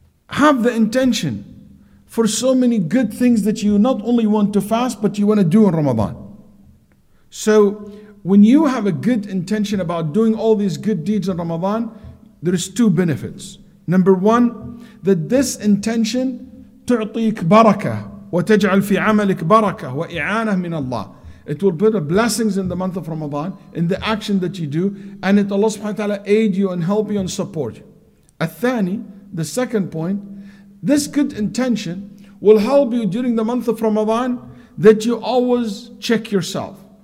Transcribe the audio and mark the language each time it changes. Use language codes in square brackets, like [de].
[en] Have the intention for so many good things that you not only want to fast, but you want to do in Ramadan. So when you have a good intention about doing all these good deeds in Ramadan, there is two benefits. Number one, that this intention [ar] تعطيك بركة وتجعل في عملك بركة وإعانة من الله. [en] It will put a blessings in the month of Ramadan, in the action that you do, and it Allah subhanahu wa ta'ala aid you and help you and support you. الثاني, the second point, this good intention will help you during the month of Ramadan that you always check yourself.